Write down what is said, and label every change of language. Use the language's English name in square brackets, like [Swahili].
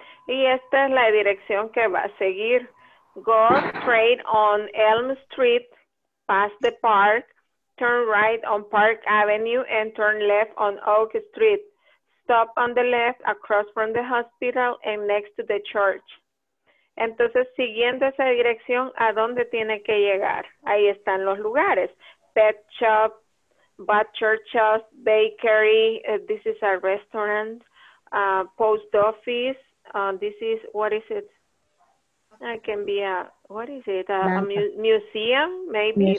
[Spanish] Y esta es la dirección que va a seguir. [English] Go straight on Elm Street, past the park, turn right on Park Avenue, and turn left on Oak Street. Stop on the left, across from the hospital, and next to the church. [Spanish] Entonces, siguiendo esa dirección, ¿a dónde tiene que llegar? Ahí están los lugares. [English] Pet shop, butcher shop, bakery, this is a restaurant, post office, this is, what is it? It can be a, what is it, a museum, maybe,